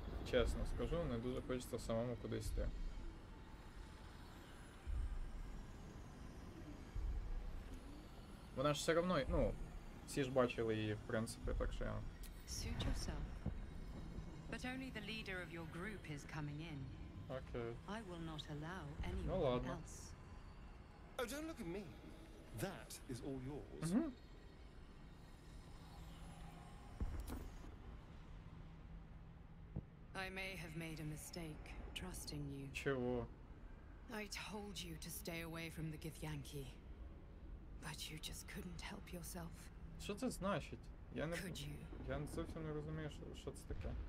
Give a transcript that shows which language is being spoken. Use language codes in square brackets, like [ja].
[uk] Чесно скажу, не дуже хочеться самому кудись йти. Вона ж все равно, ну, всі ж бачили її, в принципі, так що я... [en] Suit yourself. But only the leader of your group is coming in. Okay. I will not allow anyone else. Oh, don't look at me. That is all yours. I may have made a mistake trusting you. [ru] Чего? [en] I told you to stay away from the Githyanki. But you just couldn't help yourself. [uk] Що це значить? Я не зовсім не розумію, що це таке.